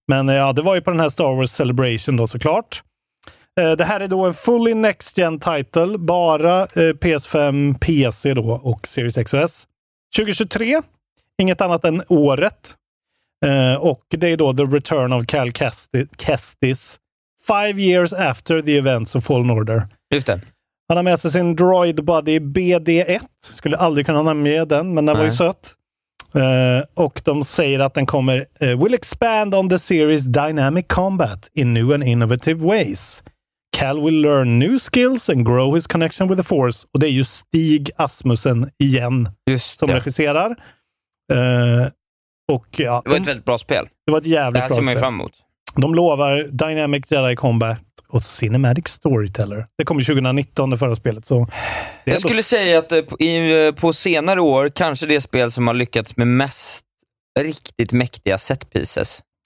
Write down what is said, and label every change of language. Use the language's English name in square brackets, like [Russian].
[Swedish] Men ja, det var ju på den här Star Wars Celebration då såklart. Det här är då en fully next gen title. Bara PS5, PC då och Series X och S. 2023. Inget annat än året. Och det är då The Return of Cal Kestis. [English] 5 years after the events of Fallen Order. [Swedish] Just det. Han har med sig sin droid buddy BD-1. Skulle aldrig kunna namnge den, men den var ju söt. Och de säger att den kommer will expand on the series dynamic combat in new and innovative ways. [English] Cal will learn new skills and grow his connection with the Force. [Swedish] Och det är ju Stig Asmussen igen. Just som det. Regisserar. Och ja, det var ett väldigt bra spel. Det var ett jävligt bra spel. Det här ser man fram emot. De lovar dynamic Jedi combat och cinematic storyteller. Det kom 2019, det förra spelet. Så det jag skulle säga att på senare år kanske det spel som har lyckats med mest riktigt mäktiga setpieces.